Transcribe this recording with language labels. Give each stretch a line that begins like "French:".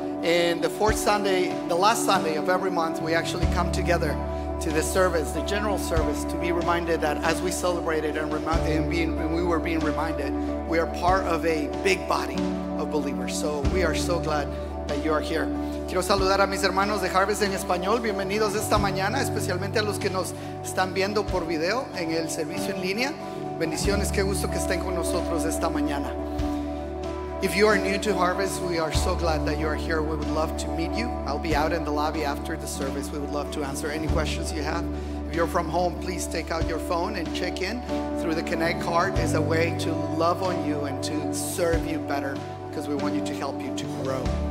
English: And the fourth Sunday, the last Sunday of every month, we actually come together to the service, the general service, to be reminded that as we celebrated and we were being reminded, we are part of a big body of believers. So we are so glad that you are here.
Spanish: Quiero saludar a mis hermanos de Harvest en Español. Bienvenidos esta mañana, especialmente a los que nos están viendo por video en el servicio en línea. Bendiciones, qué gusto que estén con nosotros esta mañana.
English: If you are new to Harvest, we are so glad that you are here. We would love to meet you. I'll be out in the lobby after the service. We would love to answer any questions you have. If you're from home, please take out your phone and check in through the Connect card as a way to love on you and to serve you better, because we want you to help you to grow.